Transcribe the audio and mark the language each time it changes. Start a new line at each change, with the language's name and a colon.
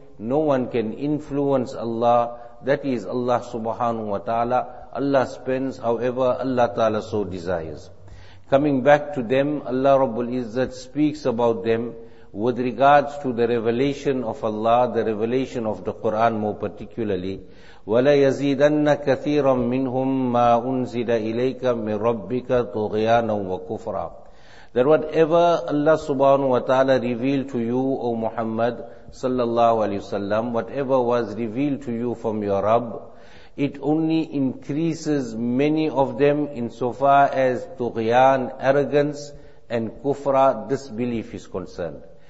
English: No one can influence Allah. That is Allah subhanahu wa ta'ala. Allah spends however Allah ta'ala so desires. Coming back to them, Allah Rabbul Izzat speaks about them with regards to the revelation of Allah, the revelation of the Quran more particularly.
Arabic: ولا يزيدن كثيرا منهم ما انزل اليك من ربك طغيانا وكفرا.
English: That whatever Allah subhanahu wa ta'ala revealed to you, O Muhammad sallallahu alayhi wa sallam, whatever was revealed to you from your Rabb, it only increases many of them insofar as tughyan, arrogance, and kufra, disbelief is concerned.